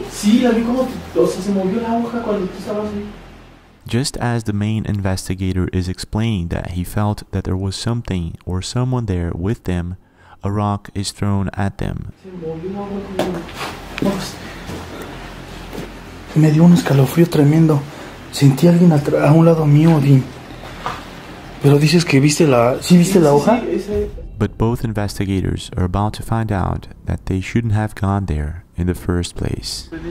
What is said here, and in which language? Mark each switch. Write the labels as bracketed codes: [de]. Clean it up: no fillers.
[es] Sí, la vi como, o sea, se movió la hoja cuando tú estabas ahí. [en] Just as the main investigator is explaining that he felt that there was something or someone there with them, a rock is thrown at them. [es] Me dio un escalofrío tremendo. Sentí a alguien a un lado mío, Dean. Pero dices que viste la, ¿sí viste la hoja? [en] But both investigators are about to find out that they shouldn't have gone there in the first place.